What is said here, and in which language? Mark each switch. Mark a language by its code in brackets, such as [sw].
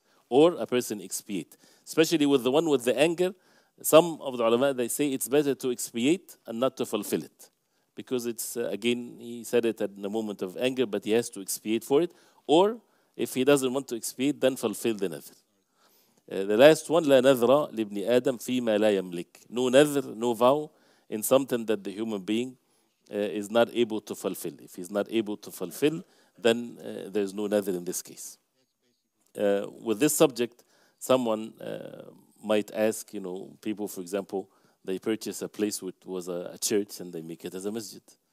[en] Or a person expiate. Especially with the one with the anger, some of the ulama, they say it's better to expiate and not to fulfill it. Because it's, again, he said it in a moment of anger, but he has to expiate for it. Or if he doesn't want to expiate, then fulfill the nadr. The last one, [ar] لا نذر لابن آدم فيما لا يملك. [en] No nadr, no vow in something that the human being is not able to fulfill. If he's not able to fulfill, then there's no nadr in this case. With this subject, someone might ask, you know, people, for example, they purchase a place which was a church and they make it as a masjid.